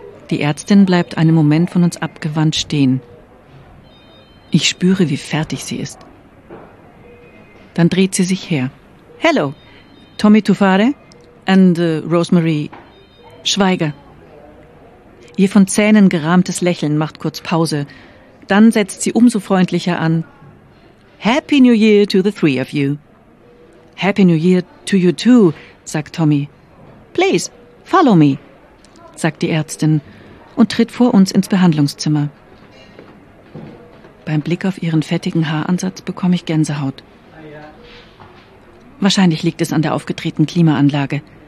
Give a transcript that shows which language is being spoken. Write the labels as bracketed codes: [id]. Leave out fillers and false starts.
[de] Die Ärztin bleibt einen Moment von uns abgewandt stehen. Ich spüre, wie fertig sie ist. Dann dreht sie sich her. [en] Hello, Tommy Tufare and Rosemary Schweiger. [de] Ihr von Zähnen gerahmtes Lächeln macht kurz Pause. Dann setzt sie umso freundlicher an. [en] Happy New Year to the three of you. Happy New Year to you too, [de] sagt [en] Tommy. Please, follow me, [de] sagt die Ärztin und tritt vor uns ins Behandlungszimmer. Beim Blick auf ihren fettigen Haaransatz bekomme ich Gänsehaut. Wahrscheinlich liegt es an der aufgedrehten Klimaanlage.